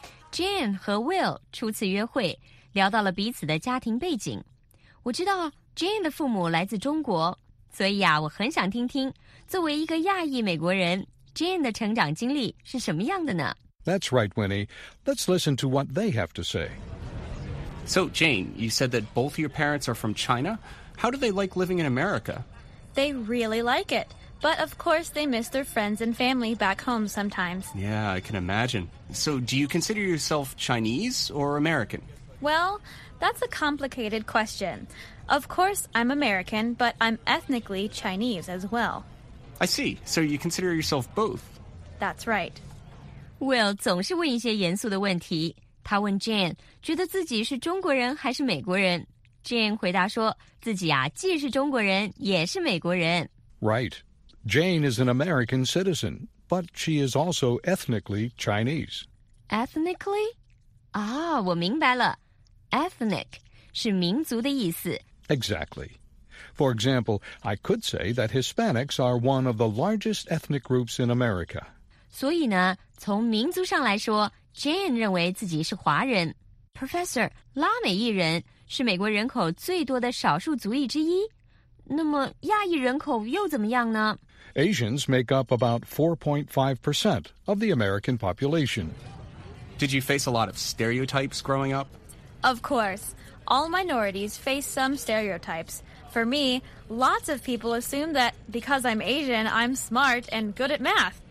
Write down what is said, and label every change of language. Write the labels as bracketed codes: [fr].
[zh] Jane 和 Will 初次约会，聊到了彼此的家庭背景。我知道 Jane 的父母来自中国，所以啊，我很想听听作为一个亚裔美国人 Jane 的成长经历是什么样的呢？ [en] That's right, Winnie. Let's listen to what they have to say. So, Jane, you said that both your parents are from China. How do they like living in America? They really like it. But, of course, they miss their friends and family back home sometimes. Yeah, I can imagine. So, do you consider yourself Chinese or American? Well, that's a complicated question. Of course, I'm American, but I'm ethnically Chinese as well. I see. So, you consider yourself both? That's right. [zh] Will 总是问一些严肃的问题。他问 Jane, 觉得自己是中国人还是美国人? Jane 回答说,自己啊,既是中国人,也是美国人。 [en] Right. Jane is an American citizen, but she is also ethnically Chinese. Ethnically? Ah, [zh] 我明白了。 Ethnic 是民族的意思。 [en] Exactly. For example, I could say that Hispanics are one of the largest ethnic groups in America. [zh] 所以呢，从民族上来说 ，Jane 认为自己是华人。 Professor, 拉美裔人是美国人口最多的少数族裔之一。那么亚裔人口又怎么样呢 [en] ？Asians make up about 4.5% of the American population. Did you face a lot of stereotypes growing up? Of course, all minorities face some stereotypes. For me, lots of people assume that because I'm Asian, I'm smart and good at math.